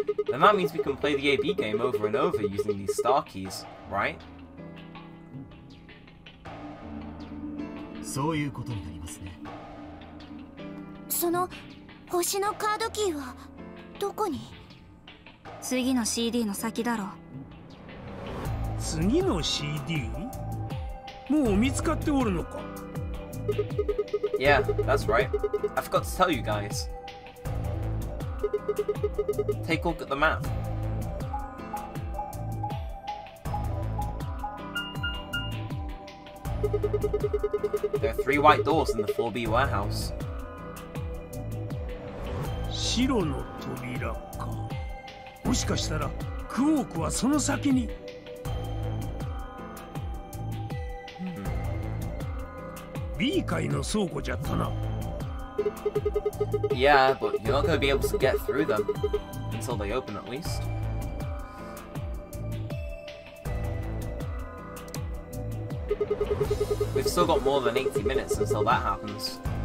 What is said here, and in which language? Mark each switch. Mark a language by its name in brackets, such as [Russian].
[English] Then that means we can play the AB game over and over using these star keys, right? [Japanese] そういうことになりますね。その星のカードキーはどこに？次の CD の先だろう。次の CD? もう見つかっておるのか? [English] Yeah, that's right. I forgot to tell you guys. Take a look at the map. There are three white doors in the 4B warehouse. [Japanese] 白の扉か。もしかしたらクォークはその先に。 B 階の倉庫じゃったな。 [English] Yeah, but you're not gonna be able to get through them until they open at least. We've still got more than 80 minutes until that happens.